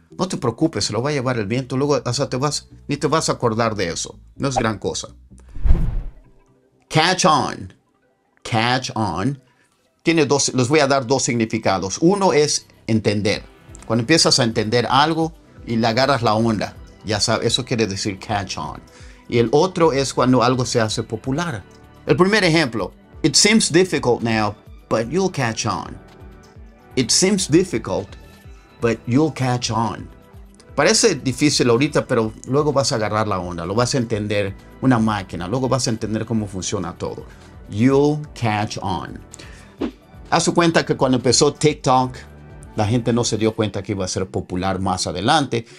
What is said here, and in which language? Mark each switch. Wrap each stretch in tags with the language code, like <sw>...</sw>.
<es>No te preocupes, se lo va a llevar el viento. Luego hasta ni te vas a acordar de eso. No es gran cosa. Catch on. Catch on. Tiene dos, les voy a dar dos significados. Uno es entender. Cuando empiezas a entender algo y le agarras la onda. Ya sabes, eso quiere decir catch on. Y el otro es cuando algo se hace popular. El primer ejemplo.</es> <en>It seems difficult now, but you'll catch on. It seems difficult, but you'll catch on.</en> <es>Parece difícil ahorita, pero luego vas a agarrar la onda. Lo vas a entender una máquina. Luego vas a entender cómo funciona todo.</es> <en>You'll catch on.</en> <es>Haz su cuenta que cuando empezó TikTok, la gente no se dio cuenta que iba a ser popular más adelante.</es>